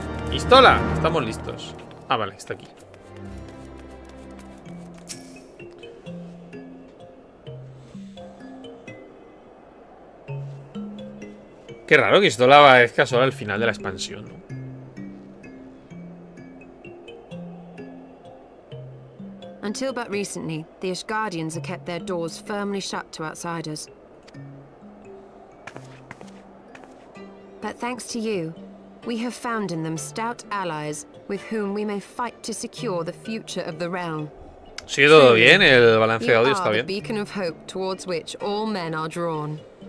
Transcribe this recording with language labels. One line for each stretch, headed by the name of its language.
Spanish: Istola, estamos listos. Ah, vale, está aquí. Qué raro que Istola aparezca solo al final de la expansión.
English: Until but recently, the Asgardians have kept their doors firmly shut to outsiders. But thanks to you, we have found in them stout allies with whom we may fight to secure the future of the realm.
Spanish: Sí, todo bien, el balance de audio está bien.
English: You are the beacon of hope towards which all men are drawn.